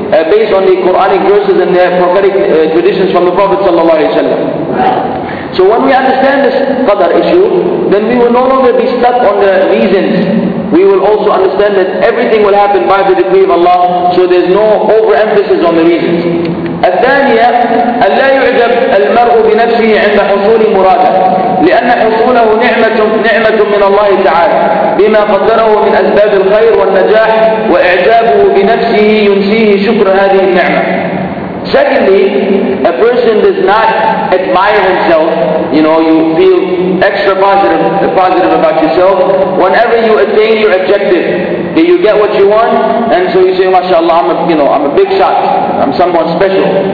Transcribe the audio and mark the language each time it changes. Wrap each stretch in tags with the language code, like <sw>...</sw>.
<en>based on the Quranic verses and the prophetic traditions from the Prophet sallallahu alaihi wasallam. So when we understand this qadar issue, then we will no longer be stuck on the reasons. We will also understand that everything will happen by the decree of Allah, so there's no overemphasis on the reasons.</en> <ar>الثانية ألا يعجب المرء بنفسه عند حصول مراده لأن حصوله نعمة من الله تعالى بما قدره من أسباب الخير والنجاح وإعجابه بنفسه ينسيه شكر هذه النعمة.</ar> <en>Secondly, a person does not admire himself. You know, you feel extra positive about yourself whenever you attain your objective. Okay, you get what you want, and so you say, "MashaAllah, I'm a big shot. I'm someone special."</en>